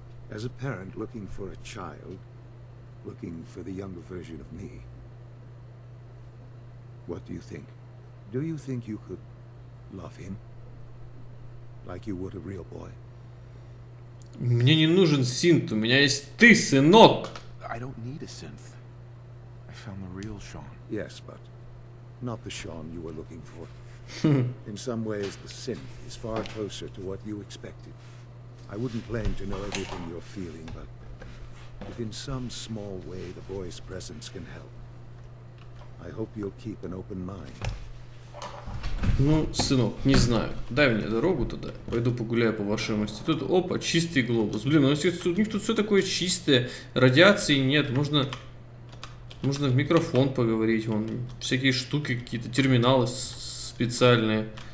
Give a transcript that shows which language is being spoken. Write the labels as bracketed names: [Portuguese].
[English] As a parent looking for a child, looking for the younger version of me, what do you think? Do you think you could love him like you would a real boy? [Russian] Мне не нужен синт, у меня есть ты, сынок. [English] I don't need a synth. I found the real Sean. Yes, but not the Sean you were looking for. In some ways, the synth is far closer to what you expected. I wouldn't claim to know everything you're feeling, but if in some small way the boy's presence can help, I hope you'll keep an open mind. [Russian] Ну, сынок, не знаю. Дай мне дорогу туда. Пойду погуляю по вашему институту. Опа, чистый глобус. Блин, у них тут все такое чистое. Радиации нет. Можно в микрофон поговорить. Вон, всякие штуки, какие-то терминалы специальные.